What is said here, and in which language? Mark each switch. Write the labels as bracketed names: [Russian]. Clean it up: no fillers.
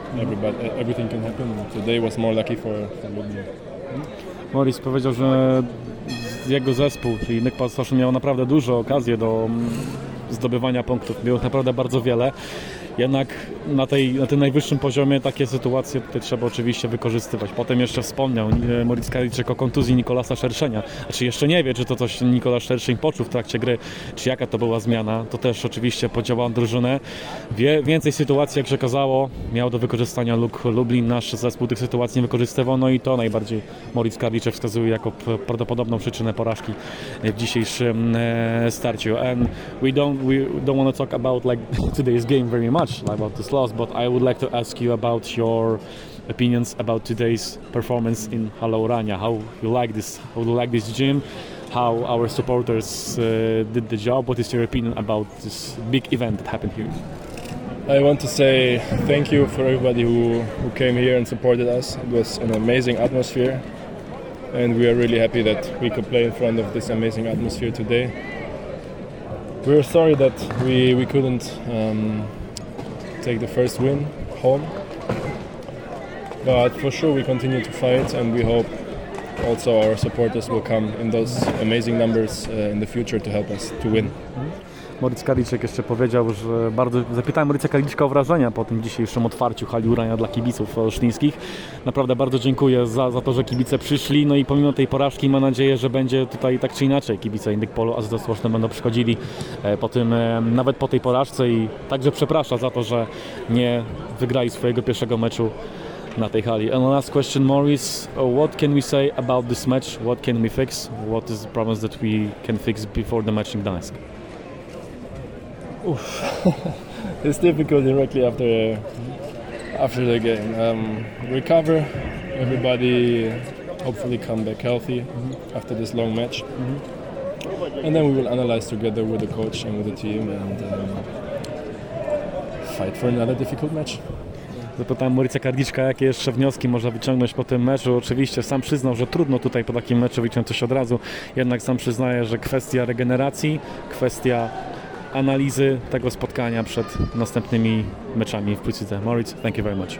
[English] Everybody, everything can happen. Today was more lucky for Lublin. [Polish] Moritz powiedział, że jego zespół, czyli Nykpal Staszyn, miał naprawdę dużo okazji do zdobywania punktów, było naprawdę bardzo wiele. Jednak na tym najwyższym poziomie takie sytuacje tutaj trzeba oczywiście wykorzystywać. Potem jeszcze wspomniał Moritz Karliczek o kontuzji Nikolasa Szerszenia. Znaczy jeszcze nie wie, czy to coś Nikolas Szerszeń poczuł w trakcie gry, czy jaka to była zmiana. To też oczywiście podziałało drużynę. Więcej sytuacji, jak się okazało, miał do wykorzystania Lublin. Nasz zespół tych sytuacji nie wykorzystywał. No i to najbardziej Moritz Karliczek wskazuje jako prawdopodobną przyczynę porażki w dzisiejszym starciu. [English] And we don't want to talk about like today's game very much about this loss, but I would like to ask you about your opinions about today's performance in Hala Urania. How you like this gym, how our supporters did the job. What is your opinion about this big event that happened here? I want to say thank you for everybody who came here and supported us. It was an amazing atmosphere, and we are really happy that we could play in front of this amazing atmosphere today. We're sorry that we couldn't take the first win home, but for sure we continue to fight, and we hope also our supporters will come in those amazing numbers in the future to help us to win. [Polish] Moritz Karliczek jeszcze powiedział, że bardzo zapytałem Moritza Karliczka o wrażenia po tym dzisiejszym otwarciu hali Urania dla kibiców olsztyńskich. Naprawdę bardzo dziękuję za to, że kibice przyszli. No i pomimo tej porażki mam nadzieję, że będzie tutaj tak czy inaczej kibice Indykpolu AZS Olsztyn będą przychodzili po tym, nawet po tej porażce, i także przeprasza za to, że nie wygrali swojego pierwszego meczu na tej hali. [English] And last question, Maurice, what can we say about this match? What can we fix? What is the problems that we can fix before the match in Gdańsk? It's difficult directly after the game. Recover, everybody hopefully come back healthy after this long match. And then we will analyze together with the coach and with the team and fight for another difficult match. [Polish] Zapytałem Moritza Karliczka, jakie jeszcze wnioski można wyciągnąć po tym meczu. Oczywiście sam przyznał, że trudno tutaj po takim meczu wyciągnąć coś od razu. Jednak sam przyznaje, że kwestia regeneracji, kwestia analizy tego spotkania przed następnymi meczami w Płucidze. Moritz, [English] thank you very much.